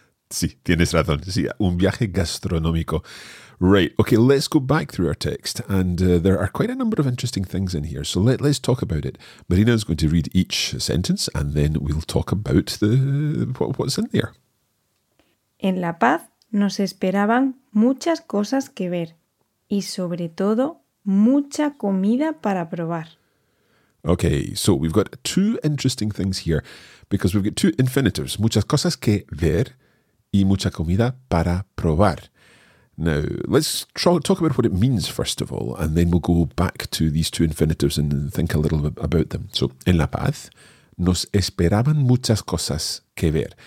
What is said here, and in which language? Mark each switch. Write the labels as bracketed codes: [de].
[es] Sí, tienes razón. Sí, un viaje gastronómico. Right. [en] Okay, let's go back through our text. And there are quite a number of interesting things in here. So let's talk about it. Marina is going to read each sentence and then we'll talk about what's in there. [es] En La Paz nos esperaban muchas cosas que ver y sobre todo mucha comida para probar. [en] Okay, so we've got two interesting things here because we've got two infinitives. [es] Muchas cosas que ver y mucha comida para probar. [en] Now, let's talk about what it means first of all, and then we'll go back to these two infinitives and think a little bit about them. [es] So, en La Paz, nos esperaban muchas cosas que ver.